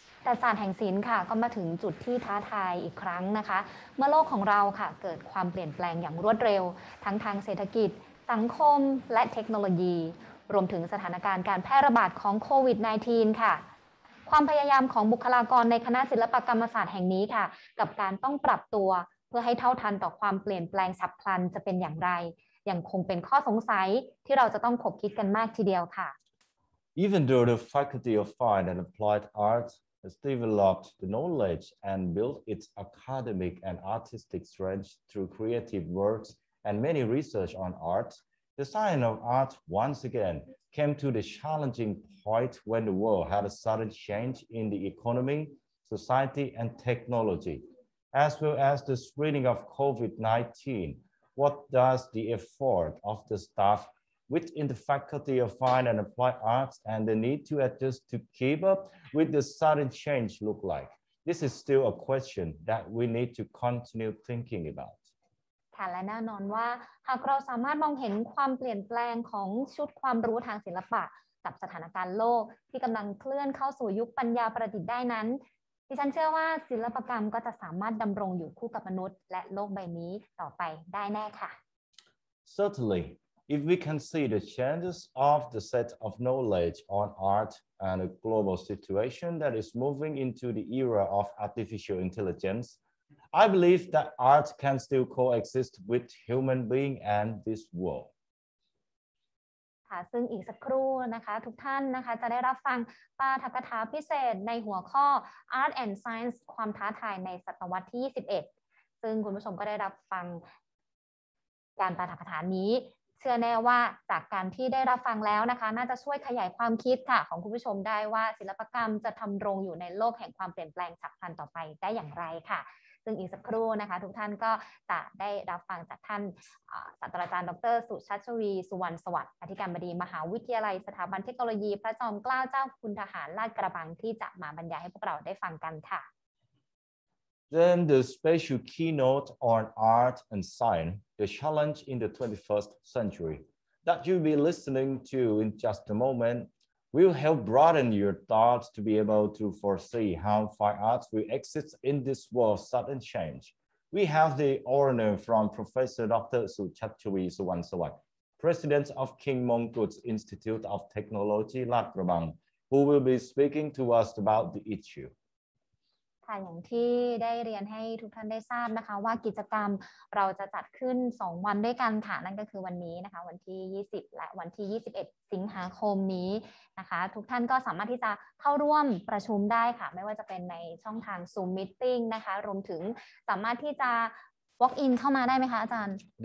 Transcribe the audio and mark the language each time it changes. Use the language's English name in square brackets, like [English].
[Thai] แต่ศาสตร์แห่งศิลป์ค่ะก็มาถึงจุดที่ท้าทายอีกครั้งนะคะเมื่อโลกของเราค่ะเกิดความเปลี่ยนแปลงอย่างรวดเร็วทั้งทางเศรษฐกิจสังคมและเทคโนโลยีรวมถึงสถานการณ์การแพร่ระบาดของโควิด-19 ค่ะ ความพยายามของบุคลากรในคณะศิลปกรรมศาสตร์แห่งนี้ค่ะกับการต้องปรับตัวเพื่อให้เท่าทันต่อความเปลี่ยนแปลงฉับพลันจะเป็นอย่างไรยังคงเป็นข้อสงสัยที่เราจะต้องขบคิดกันมากทีเดียวค่ะ [English] Even though the Faculty of Fine and Applied ArtsHas developed the knowledge and built its academic and artistic strength through creative works and many research on art, the science of art once again came to the challenging point when the world had a sudden change in the economy, society, and technology, as well as the spreading of COVID-19. What does the effort of the staff within the Faculty of Fine and Applied Arts and the need to adjust to keep up? With the sudden change look like? This is still a question that we need to continue thinking about. [Thai] ค่ะและแน่นอนว่าหากเราสามารถมองเห็นความเปลี่ยนแปลงของชุดความรู้ทางศิลปะกับสถานการณ์โลกที่กำลังเคลื่อนเข้าสู่ยุคปัญญาประดิษฐ์ได้นั้นดิฉันเชื่อว่าศิลปกรรมก็จะสามารถดำรงอยู่คู่กับมนุษย์และโลกใบนี้ต่อไปได้แน่ค่ะ [English] Certainly. If we can see the changes of the set of knowledge on art and a global situation that is moving into the era of artificial intelligence, I believe that art can still coexist with human being and this world. [Thai] ค่ะซึ่งอีกสักครู่นะคะทุกท่านนะคะจะได้รับฟังปาฐกถาพิเศษในหัวข้อ [English] Art and Science [Thai] ความท้าทายในศตวรรษที่21ซึ่งคุณผู้ชมก็ได้รับฟังการปาฐกถานี้เชื่อแน่ว่าจากการที่ได้รับฟังแล้วนะคะน่าจะช่วยขยายความคิดค่ะของคุณผู้ชมได้ว่าศิลปกรรมจะทำรงอยู่ในโลกแห่งความเปลี่ยนแปลงฉับพลันต่อไปได้อย่างไรค่ะซึ่งอีกสักครู่นะคะทุกท่านก็จะได้รับฟังจากท่านศาสตราจารย์ดร. สุชัชวีสุวรรณสวัสดิ์อธิการบดีมหาวิทยาลัยสถาบันเทคโนโลยีพระจอมเกล้าเจ้าคุณทหารลาดกระบังที่จะมาบรรยายให้พวกเราได้ฟังกันค่ะ [English] Then the special keynote on art and scienceThe challenge in the 21st century that you'll be listening to in just a moment will help broaden your thoughts to be able to foresee how fine arts will exist in this world's sudden change. We have the honor from Professor Dr. Suchatchui Suwansawak, President of King Mongkut Institute of Technology, Lat Krabang, who will be speaking to us about the issue. [Thai] ค่ะอย่างที่ได้เรียนให้ทุกท่านได้ทราบนะคะว่ากิจกรรมเราจะจัดขึ้น2วันด้วยกันค่ะนั่นก็คือวันนี้นะคะวันที่20และวันที่21สิงหาคมนี้นะคะทุกท่านก็สามารถที่จะเข้าร่วมประชุมได้ค่ะไม่ว่าจะเป็นในช่องทาง Zoom Meeting นะคะรวมถึงสามารถที่จะ [English] Walk in [Thai] เข้ามาได้ไหมคะอาจารย